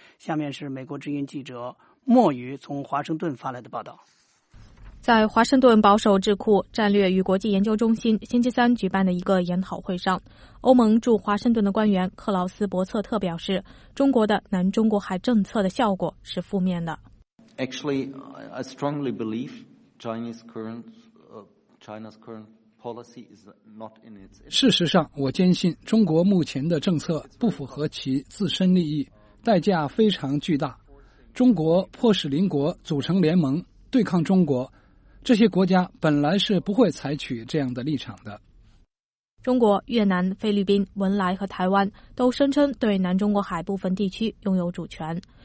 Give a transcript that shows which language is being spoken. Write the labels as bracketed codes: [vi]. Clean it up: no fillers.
[zh] 下面是美国之音记者莫宇从华盛顿发来的报道。在华盛顿保守智库战略与国际研究中心星期三举办的一个研讨会上，欧盟驻华盛顿的官员克劳斯伯策特表示，中国的南中国海政策的效果是负面的。 [en] Actually, I strongly believe China's current policy is not in its. [zh] 事实上，我坚信中国目前的政策不符合其自身利益，代价非常巨大。中国迫使邻国组成联盟对抗中国，这些国家本来是不会采取这样的立场的。中国、越南、菲律宾、文莱和台湾都声称对南中国海部分地区拥有主权。